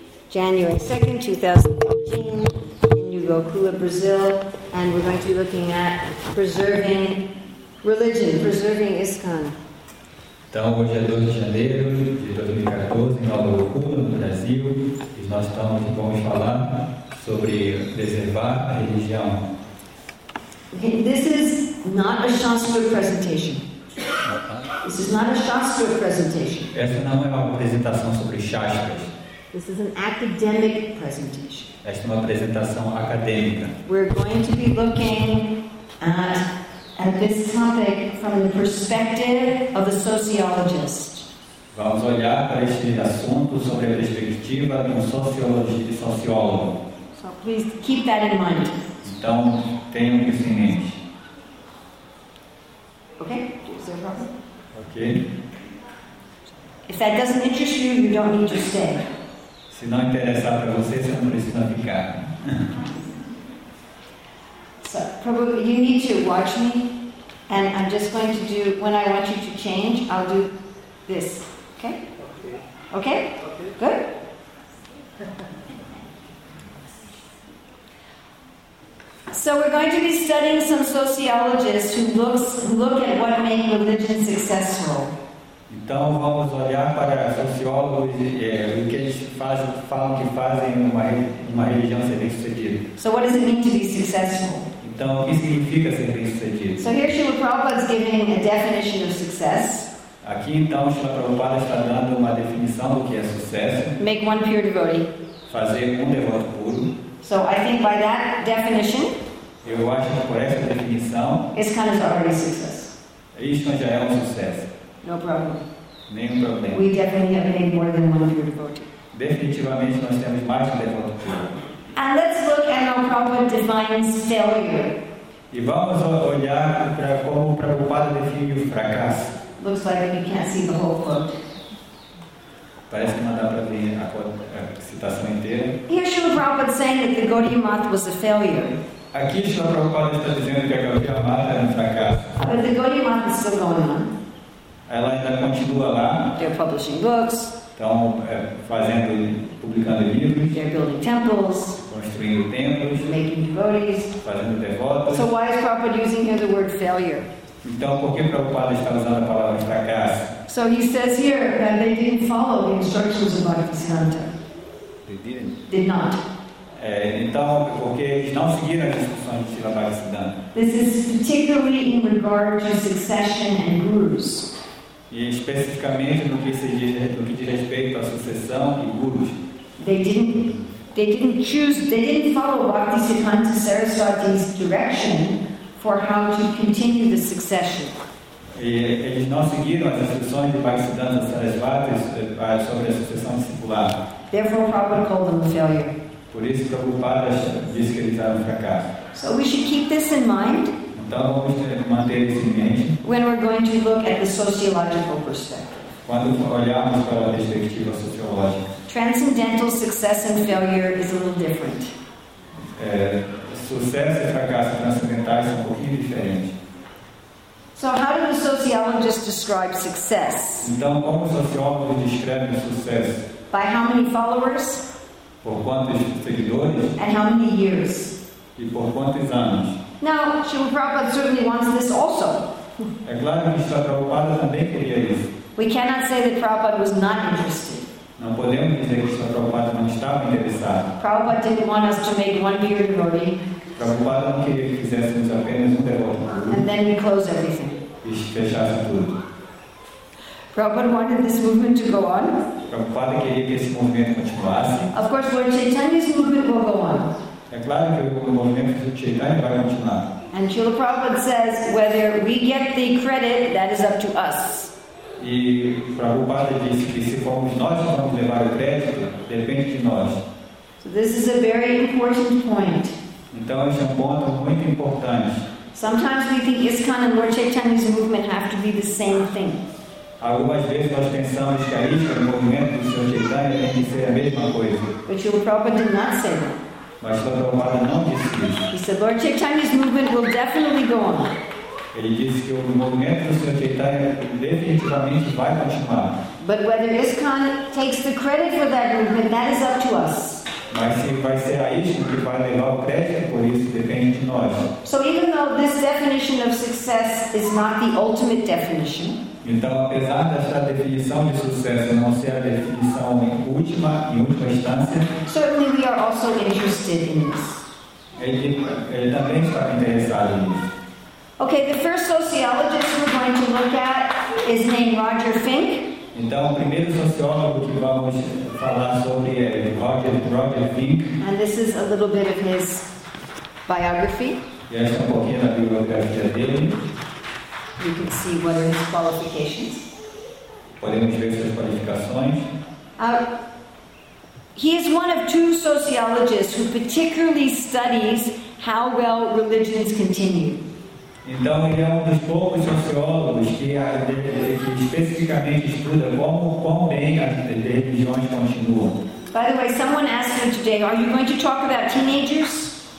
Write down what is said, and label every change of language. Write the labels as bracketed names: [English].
[English] January 2nd, 2018, in Yugokula, Brazil, and we're going to be looking at preserving religion, preserving ISKCON. [Portuguese] Então, hoje é 2 de janeiro de 2014, em Nova Iorque, no Brasil, e nós vamos falar sobre preservar a religião. [English] Okay, this is not a Shastra presentation. This is not a Shastra presentation. [Portuguese] Essa não é uma apresentação sobre Shastras. [English] This is an academic presentation. [Portuguese] Esta é uma apresentação acadêmica. [English] We're going to be looking at this topic from the perspective of a sociologist. [Portuguese] Vamos olhar para este assunto sobre a perspectiva de um sociólogo. [English] So please keep that in mind. [Portuguese] Então, tenham isso em mente. [English] Okay? Is there a problem? Okay. If that doesn't interest you, you don't need to stay. [Portuguese] Se não interessar para você, você não precisa ficar. [English] So, probably you need to watch me, and I'm just going to do, when I want you to change, I'll do this, okay? Okay? Okay. Good? So we're going to be studying some sociologists who look at what made religion successful. [Portuguese] Então vamos olhar para sociólogos e o que eles fazem, falam que fazem uma religião ser bem sucedida. [English] So what does it mean to be successful? [Portuguese] Então, o que significa ser bem sucedido? [English] So here Srila Prabhupada is giving a definition of success. [Portuguese] Aqui então Srila Prabhupada está dando uma definição do que é sucesso. [English] Make one pure devotee. [Portuguese] Fazer um devoto puro. [English] So I think by that definition, [Portuguese] eu acho que por essa definição, [English] ISKCON is already success. [Portuguese] ISKCON já é um sucesso. [English] No problem. [Portuguese] Nenhum problema. [English] We definitely have made more than one pure devotee. [Portuguese] Definitivamente nós temos mais um devoto puro. [English] And let's look at how Prabhupada defines failure. [Portuguese] E vamos olhar para como Prabhupada define o fracasso. [English] Looks like you can't see the whole quote. [Portuguese] Parece que não dá para ver a citação inteira. [English] Here Srila Prabhupada is saying that the Gaudiya Math was a failure. [Portuguese] Aqui Srila Prabhupada está dizendo que a Gaudiya Math era um fracasso. [English] But the Gaudiya Math is still going on. [Portuguese] Ela ainda continua lá. [English] They're publishing books. [Portuguese] Estão fazendo, publicando livros. [English] They're building temples. [Portuguese] Construindo templos. [English] Making devotees. [Portuguese] Fazendo devotos. [English] So why is Prabhupada using here the word failure? [Portuguese] Então, por que Prabhupada está usando a palavra fracasso? [English] So he says here that they didn't follow the instructions of Bhaktisiddhanta. They didn't. Did not. [Portuguese] Então, porque eles não seguiram as instruções de Srila Bhaktisiddhanta. [English] This is particularly in regard to succession and gurus. [Portuguese] E especificamente no que se diz, no que diz respeito à sucessão e gurus. [English] They didn't follow Bhaktisiddhanta Saraswati's direction for how to continue the succession. [Portuguese] E eles não seguiram as instruções de Bhaktisiddhanta Saraswati sobre a sucessão discipular. [English] Therefore, Prabhupada called them a failure. [Portuguese] Por isso, Prabhupada disse que eles eram um fracasso. [English] So we should keep this in mind. [Portuguese] Então vamos manter isso em mente. [English] When we're going to look at the sociological perspective. [Portuguese] Quando olharmos para a perspectiva sociológica. [English] Transcendental success and failure is a little different. [Portuguese] Sucesso e fracasso transcendentais são um pouquinho diferentes. [English] So how do the sociologists describe success? [Portuguese] Então como os sociólogos descrevem o sucesso? [English] By how many followers? [Portuguese] Por quantos seguidores? [English] And how many years? [Portuguese] E por quantos anos? [English] Now, Srila Prabhupada certainly wants this also. [Portuguese] É claro que Srila Prabhupada também queria isso. [English] We cannot say that Prabhupada was not interested. [Portuguese] Não podemos dizer que Srila Prabhupada não estava interessado. [English] Prabhupada didn't want us to make one bearded body. [Portuguese] Prabhupada não queria que fizéssemos apenas um devoto. [English] And then we close everything. [Portuguese] E fechasse tudo. [English] Prabhupada wanted this movement to go on. [Portuguese] Prabhupada queria que esse movimento continuasse. [English] Of course, Lord Chaitanya's movement will go on. [Portuguese] É claro que o movimento de Chaitanya vai continuar. [English] And Srila Prabhupada says, whether we get the credit, that is up to us. [Portuguese] E Prabhupada diz que se formos nós que vamos levar o crédito, depende de nós. [English] So this is a very important point. [Portuguese] Então, esse é um ponto muito importante. [English] Sometimes we think ISKCON and Lord Chaitanya's movement have to be the same thing. [Portuguese] Algumas vezes nós pensamos que a ISKCON, o movimento do Sr. Chaitanya, tem que ser a mesma coisa. [English] But Srila Prabhupada did not say that. [Portuguese] Mas Srila Prabhupada não disse isso. [English] He said, Lord Chaitanya's movement will definitely go on. [Portuguese] Ele disse que o movimento do Senhor Chaitanya definitivamente vai continuar. [English] But whether ISKCON takes the credit for that movement, that is up to us. [Portuguese] Mas se vai ser a ISKCON que vai levar o crédito por isso, depende de nós. [English] So even though this definition of success is not the ultimate definition. [Portuguese] Então, apesar dessa definição de sucesso não ser a definição em última instância, [English] certainly we are also interested in this. [Portuguese] Ele também está interessado nisso. [English] Okay, the first sociologist we're going to look at is named Roger Fink. [Portuguese] Então, o primeiro sociólogo que vamos falar sobre é Roger Fink. [English] And this is a little bit of his biography. [Portuguese] E essa é um pouquinho da biografia dele. [English] You can see what are his qualifications. [Portuguese] Podemos ver suas qualificações. [English] He is one of two sociologists who particularly studies how well religions continue. [Portuguese] Então, ele é um dos poucos sociólogos que especificamente estuda quão bem as religiões continuam. [English] By the way, someone asked me today, are you going to talk about teenagers?